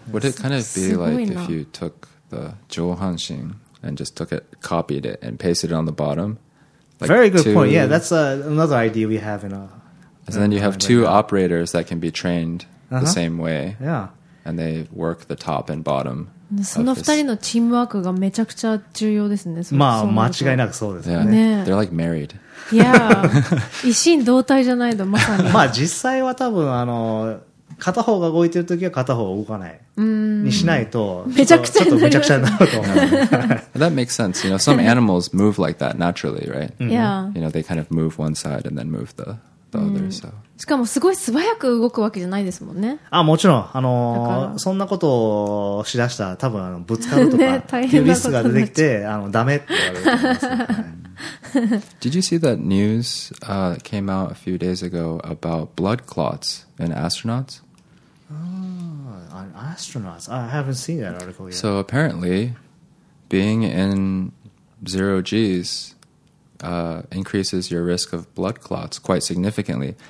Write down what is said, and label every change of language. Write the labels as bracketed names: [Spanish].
[English] Would it kind of be like if you took the 上半身 and just took it, copied it, and pasted it on the bottom? Like very good point. Yeah, that's another idea we have. And then you have two operators that can be trained the same way. Yeah. And they work the top and bottom. [Japanese] その二人のチームワークがめちゃくちゃ重要ですね。まあ、間違いなくそうですね。 [English] They're like married. Yeah. [Japanese] 一心同体じゃないと、まさに。まあ、実際は多分、片方が動いてるときは片方が動かない。にしないと、めちゃくちゃになる。ちょっとめちゃくちゃになると思う。 [English] That makes sense. You know, some animals move like that naturally, right? Mm-hmm. Yeah. You know, they kind of move one side and then move the other. So. [Japanese] しかもすごい素早く動くわけじゃないですもんね。あ、もちろん。そんなことをしだしたら多分ぶつかるとか、ね、大変なことになっちゃう。リスが出てきて、ダメって言われると思います。 [English] Did you see that news, came out a few days ago about blood clots in astronauts? On astronauts? I haven't seen that article yet. So apparently... Being in zero Gs increases your risk of blood clots quite significantly.